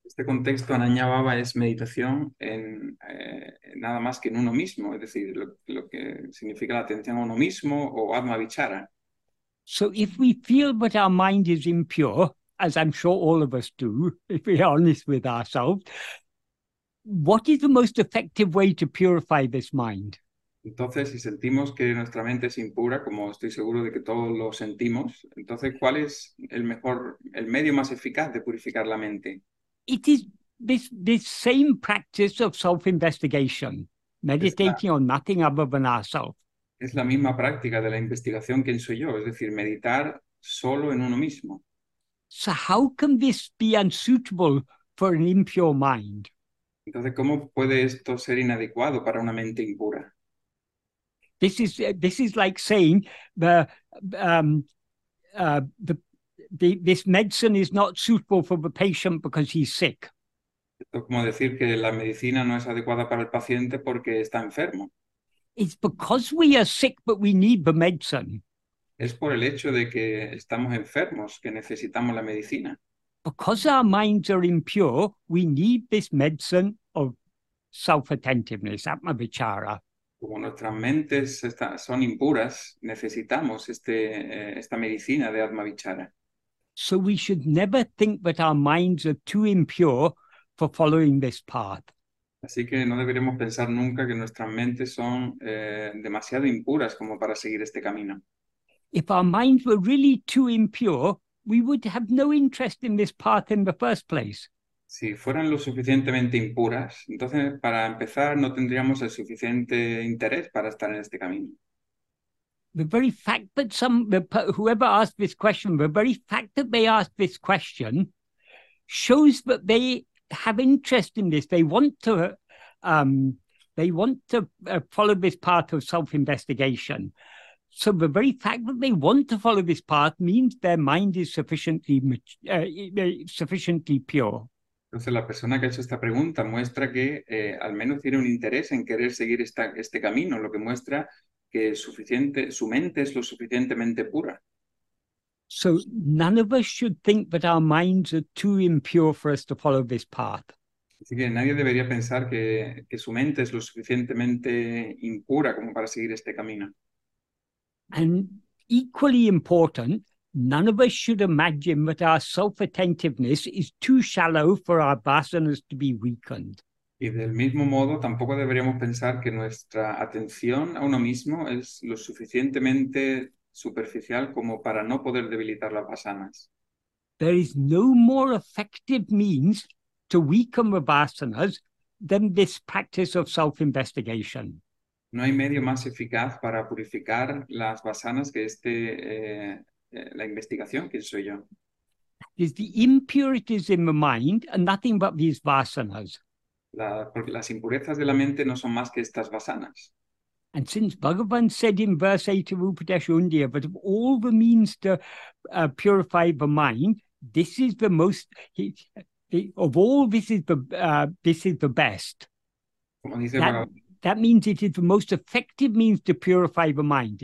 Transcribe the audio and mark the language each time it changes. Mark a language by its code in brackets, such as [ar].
[es] Este contexto Ananyabhava es meditación en nada más que en uno mismo, es decir, lo que significa la atención a uno mismo o atmavichara. [en] So if we feel that our mind is impure, as I'm sure all of us do, if we're honest with ourselves, what is the most effective way to purify this mind? [es] Entonces, si sentimos que nuestra mente es impura, como estoy seguro de que todos lo sentimos, entonces, ¿cuál es el medio más eficaz de purificar la mente? [en] It is this same practice of self-investigation, meditating on nothing other than ourselves. [es] Es la misma práctica de la investigación quién soy yo, es decir, meditar solo en uno mismo. [en] So how can this be unsuitable for an impure mind? [es] Entonces, ¿cómo puede esto ser inadecuado para una mente impura? [en] This is like saying this medicine is not suitable for the patient because he's sick. [es] Esto es como decir que la medicina no es adecuada para el paciente porque está enfermo. [en] It's because we are sick but we need the medicine. [es] Es por el hecho de que estamos enfermos que necesitamos la medicina. [en] Because our minds are impure, we need this medicine of self-attentiveness, atmavichara. [es] Como nuestras mentes son impuras, necesitamos esta medicina de atmavichara. [en] So we should never think that our minds are too impure for following this path. [es] Así que no deberíamos pensar nunca que nuestras mentes son demasiado impuras como para seguir este camino. [en] If our minds were really too impure, we would have no interest in this path in the first place. [es] Si fueran lo suficientemente impuras, entonces para empezar no tendríamos el suficiente interés para estar en este camino. [en] The very fact that whoever asked this question, the very fact that they asked this question shows that they have interest in this. They want to follow this path of self-investigation. So the very fact that they want to follow this path means their mind is sufficiently pure. [es] Entonces la persona que ha hecho esta pregunta muestra que al menos tiene un interés en querer seguir este camino, lo que muestra que su mente es lo suficientemente pura. [en] So none of us should think that our minds are too impure for us to follow this path. [es] Así que nadie debería pensar que su mente es lo suficientemente impura como para seguir este camino. [en] And equally important, none of us should imagine that our self-attentiveness is too shallow for our vasanas to be weakened. [es] Y del mismo modo, tampoco deberíamos pensar que nuestra atención a uno mismo es lo suficientemente superficial como para no poder debilitar las vasanas. [en] There is no more effective means to weaken the vasanas than this practice of self-investigation. [es] No hay medio más eficaz para purificar las vasanas que la investigación, ¿quién soy yo? [en] Is the impurities in the mind and nothing but these vasanas. [es] Porque las impurezas de la mente no son más que estas vasanas. [en] And since Bhagavan said in verse 8 of 𝘷𝘪𝘢𝘺𝘢, but of all the means to purify the mind, this is the most, of all, this is the best. [es] Como dice [en] that, Bhagavan. That means it is the most effective means to purify the mind.